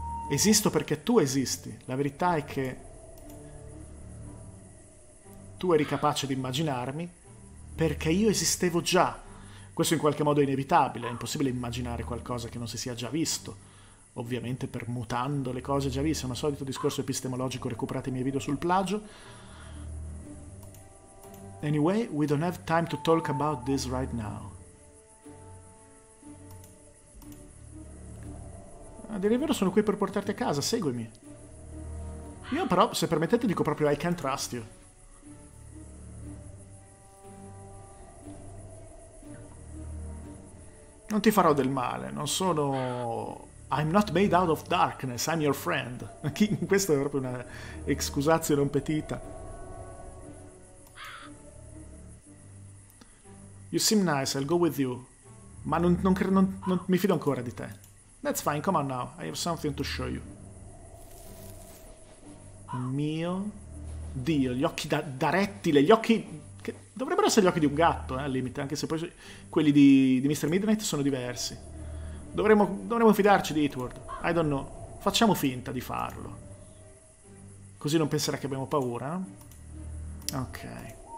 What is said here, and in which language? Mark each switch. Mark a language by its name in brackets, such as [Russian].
[Italian] Esisto perché tu esisti. La verità è che tu eri capace di immaginarmi perché io esistevo già. Questo in qualche modo è inevitabile, è impossibile immaginare qualcosa che non si sia già visto. Ovviamente permutando le cose già viste, è un solito discorso epistemologico, recuperate i miei video sul plagio. [English] Anyway, we don't have time to talk about this right now. [Italian] A dire il vero sono qui per portarti a casa, seguimi. Io però, se permettete, dico proprio [English] I can't trust you. [Italian] Non ti farò del male, non sono... [English] I'm not made out of darkness, I'm your friend. [Italian] Questa è proprio una excusatio non petita. [English] You seem nice, I'll go with you. [Italian] Ma non mi fido ancora di te. [English] That's fine, come on now, I have something to show you. [Italian] Mio Dio, gli occhi da rettile, gli occhi... Che dovrebbero essere gli occhi di un gatto, al limite, anche se poi quelli di Mr. Midnight sono diversi. Dovremmo fidarci di Eatward. [English] I don't know. [Italian] Facciamo finta di farlo. Così non penserà che abbiamo paura, no? Ok.